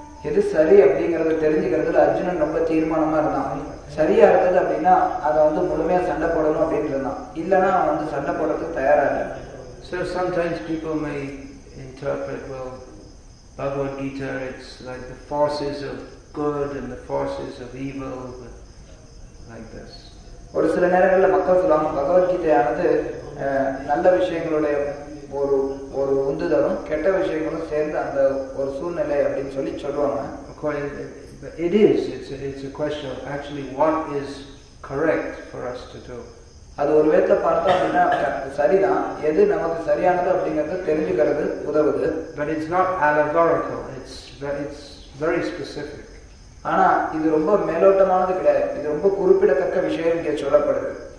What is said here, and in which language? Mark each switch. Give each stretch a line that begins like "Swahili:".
Tamil: எது சரி அப்படிங்கறது தெரிஞ்சிக்கிறதுல அர்ஜுனன் ரொம்ப தீர்மானமா இருந்தான். சரியா இருக்குது அப்படினா அத வந்து முழுமையா சண்டை போடணும் அப்படின்றான். இல்லனா அவன் வந்து சண்டை போடறதுக்கு தயாரா இல்ல.
English: So sometimes people may interpret, well, Bhagavad Gita, it's like the forces of good and the forces of evil, but like this.
Tamil: ஒரு சில நேரங்கள்ல மக்கள் சொல்லுவாங்க பகவத் கீதையானது நல்ல விஷயங்களுடைய ஒரு ஒரு உந்துதலும் கெட்ட விஷயங்களும் சேர்ந்த அந்த ஒரு சூழ்நிலை அப்படின்னு சொல்லி சொல்லுவாங்க.
English: It is. It's a question of actually what is correct for us to do.
Tamil: அது ஒரு விதத்தை பார்த்தோம் அப்படின்னா சரிதான், எது நமக்கு சரியானது அப்படிங்கறத தெரிஞ்சுக்கிறது உதவுது.
English: But it's not allegorical, it's very specific.
Tamil: ஆனா இது ரொம்ப மேலோட்டமானது கிடையாது, இது ரொம்ப குறிப்பிடத்தக்க விஷயம் இங்கே சொல்லப்படுது.